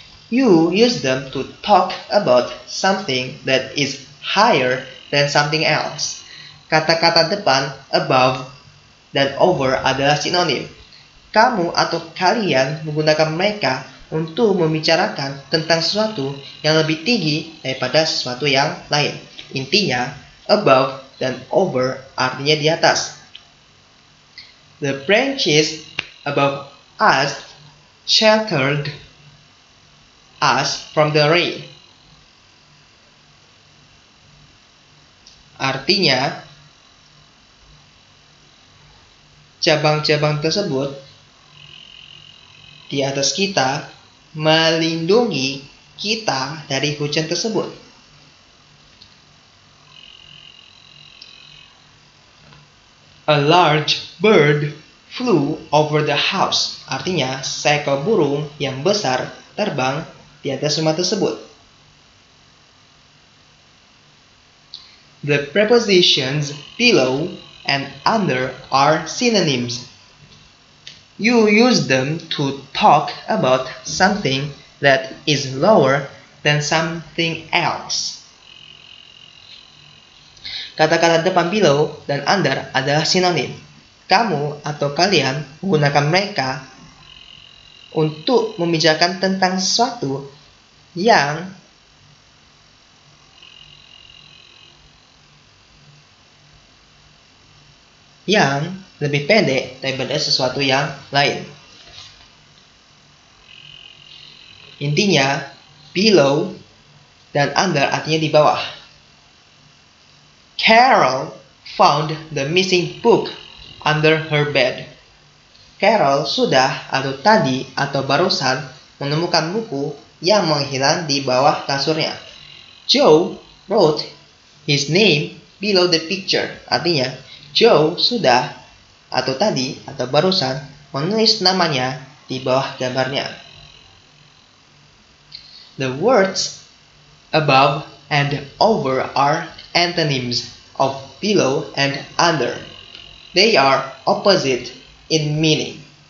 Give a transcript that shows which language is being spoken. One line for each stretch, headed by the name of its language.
English: You use them to talk about something that is higher than something else.
Indonesian: Kata-kata depan above dan over adalah sinonim. Kamu atau kalian menggunakan mereka untuk membicarakan tentang sesuatu yang lebih tinggi daripada sesuatu yang lain. Intinya, above dan over artinya di atas.
English: The branches above us sheltered us from the rain.
Indonesian: Artinya, cabang-cabang tersebut di atas kita melindungi kita dari hujan tersebut.
English: A large bird flew over the house.
Indonesian: Artinya, seekor burung yang besar terbang di atas rumah tersebut.
English: The prepositions below and under are synonyms. You use them to talk about something that is lower than something else.
Indonesian: Kata-kata depan below dan under adalah sinonim. Kamu atau kalian menggunakan mereka untuk membicarakan tentang sesuatu yang lebih pendek daripada sesuatu yang lain. Intinya, below dan under artinya di bawah.
English: Carol found the missing book under her bed.
Indonesian: Carol sudah atau tadi atau barusan menemukan buku yang menghilang di bawah kasurnya.
English: Joe wrote his name below the picture.
Indonesian: Artinya, Joe sudah atau tadi atau barusan menulis namanya di bawah gambarnya.
English: The words above and over are antonyms of below and under. They are opposite in meaning.